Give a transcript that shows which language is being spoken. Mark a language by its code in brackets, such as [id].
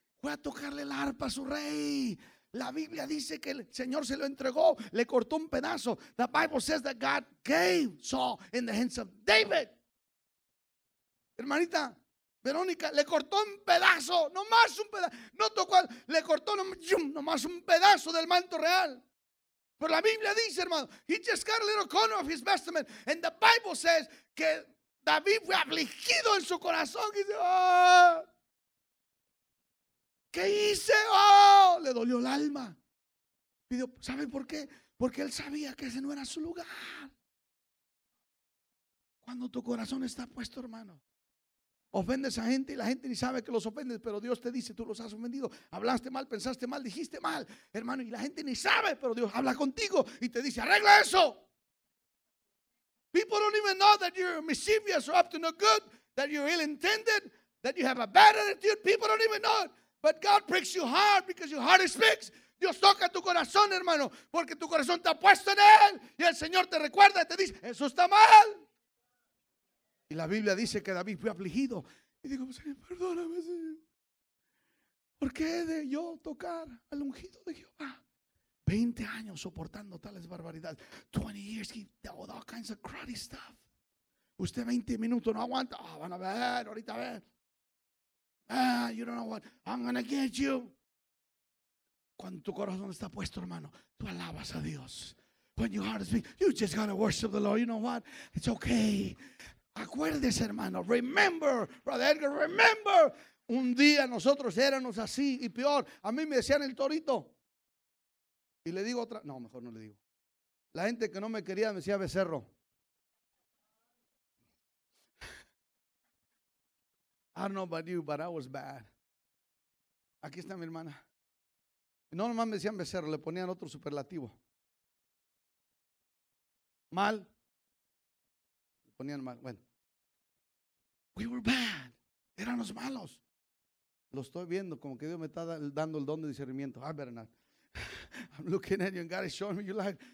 [es] Fue a tocarle la arpa a su rey. La Biblia dice que el Señor se lo entregó, le cortó un pedazo. [en] The Bible says that God gave Saul in the hands of David. [es] Hermanita Verónica, le cortó un pedazo, nomás un pedazo. No tocó, le cortó nomás un pedazo del manto real. Pero la Biblia dice, hermano, [en] he just got a little corner of his vestment. And the Bible says [es] que David fue afligido en su corazón. Y dice, oh, ¿qué hice? Oh, le dolió el alma. Pidió, ¿sabe por qué? Porque él sabía que ese no era su lugar. Cuando tu corazón está puesto, hermano, ofendes a gente y la gente ni sabe que los ofendes, pero Dios te dice, tú los has ofendido, hablaste mal, pensaste mal, dijiste mal, hermano, y la gente ni sabe, pero Dios habla contigo y te dice, arregla eso. [en] People don't even know that you're mischievous or up to no good, that you're ill-intended, that you have a bad attitude. People don't even know it. But God breaks your heart because your heart speaks. [es] Dios toca tu corazón, hermano, porque tu corazón está puesto en él y el Señor te recuerda y te dice, eso está mal. Y la Biblia dice que David fue afligido. Y dijo, Señor, perdóname, Señor. ¿Por qué he de yo tocar al ungido de Jehová? 20 años soportando tales barbaridades. [en] 20 years, he dealt all kinds of cruddy stuff. [es] Usted 20 minutos no aguanta. Ah, oh, van a ver, ahorita a ver. [en] Ah, you don't know what. I'm going to get you. [es] Cuando tu corazón está puesto, hermano, tú alabas a Dios. [en] When your heart is big, you just got to worship the Lord. You know what? It's okay. [es] Acuérdese, hermano, [en] remember, brother Edgar, remember, [es] un día nosotros éramos así y peor, a mí me decían el torito, y le digo otra, no, mejor no le digo, la gente que no me quería me decía becerro, [en] I don't know about you, but I was bad, [es] aquí está mi hermana, no nomás me decían becerro, le ponían otro superlativo, mal, le ponían mal, bueno. [en] We were bad. [es] Éramos malos. Lo estoy viendo como que Dios me está dando el don de discernimiento. [en] I better not. I'm looking at you and God is showing me you like.